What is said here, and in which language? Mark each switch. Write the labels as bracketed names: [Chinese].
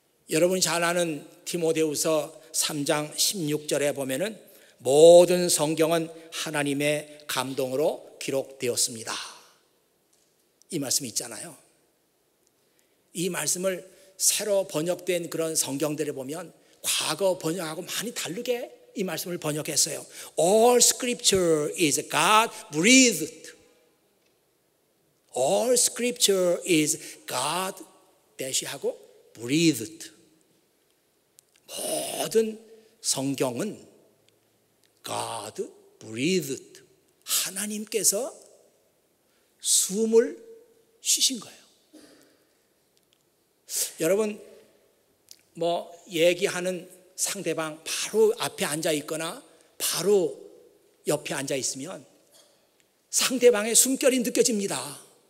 [Korean] 여러분 잘 아는 디모데후서 3장 16절에 보면은 모든 성경은 하나님의 감동으로 기록되었습니다. 이 말씀이 있잖아요. 이 말씀을 새로 번역된 그런 성경들을 보면 과거 번역하고 많이 다르게 이 말씀을 번역했어요. [English] All scripture is God breathed. All scripture is God [Korean] 대시하고 [English] breathed. [Korean] 모든 성경은 [English] God breathed. [Korean] 하나님께서 숨을 쉬신 거예요. 여러분 뭐 얘기하는 상대방 바로 앞에 앉아 있거나 바로 옆에 앉아 있으면 상대방의 숨결이 느껴집니다.